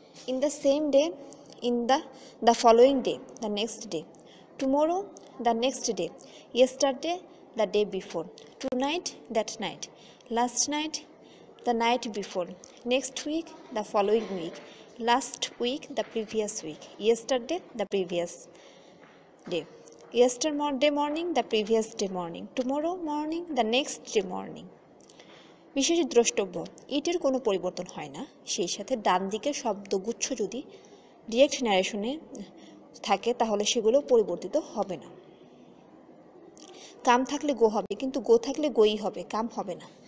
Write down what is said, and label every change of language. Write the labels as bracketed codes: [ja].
[en] In the same day, in the following day, the next day, tomorrow, the next day, yesterday, the day before, tonight, that night, last night, the night before, next week, the following week, last week, the previous week, yesterday, the previous day. Yesterday morning, the previous day morning. Tomorrow morning, the next day morning. [bn] বিশেষ দ্রষ্টব্য এটির কোনো পরিবর্তন হয় না, সেই সাথে ডান দিকে শব্দগুচ্ছ যদি ডিরেক্ট ন্যারেশনে থাকে তাহলে সেগুলো পরিবর্তিত হবে না। কাম থাকলে গো হবে, কিন্তু গো থাকলে গোই হবে, কাম হবে না।